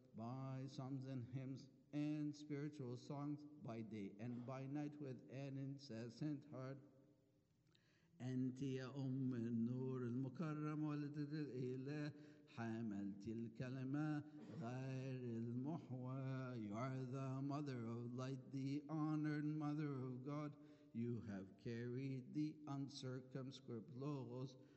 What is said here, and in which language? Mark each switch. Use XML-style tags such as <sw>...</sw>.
<en>By psalms and hymns and spiritual songs by day and by night with an incessant heart.</en> <ar>أنت يا أم النور المكرم والدة الإله حملت الكلمة غير المحوى.</ar> <en>You are the mother of light, the honored mother of God. You have carried the uncircumscribed logos.</en>